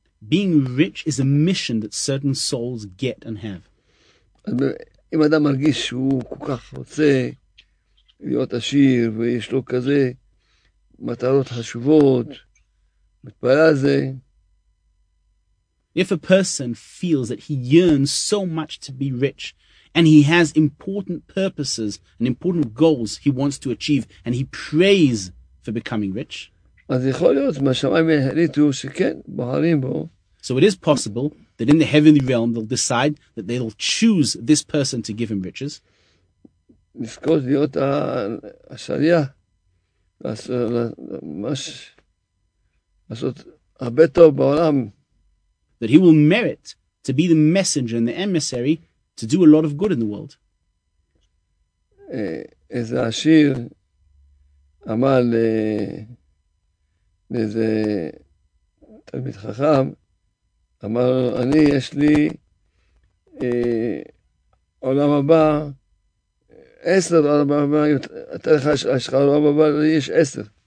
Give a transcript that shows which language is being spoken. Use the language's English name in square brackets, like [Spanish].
[English] Being rich is a mission that certain souls get and have. [Hebrew] אם אדם מרגיש שהוא כל כך רוצה להיות עשיר ויש לו כזה מטרות חשובות, מתפלל על זה. [English] If a person feels that he yearns so much to be rich and he has important purposes and important goals he wants to achieve and he prays for becoming rich. [Hebrew] אז יכול להיות מהשמיים יחליטו שכן, בוחרים בו. [English] So it is possible that in the heavenly realm they'll decide that they'll choose this person to give him riches. [Hebrew] לזכות להיות השליח, לעשות הרבה טוב בעולם. [English] That he will merit to be the messenger and the emissary to do a lot of good in the world. [Hebrew] איזה עשיר אמר לאיזה תלמיד חכם, אמר, אני יש לי עולם הבא, 10 עולם הבא, אתה לך יש לך עולם הבא, לי יש 10.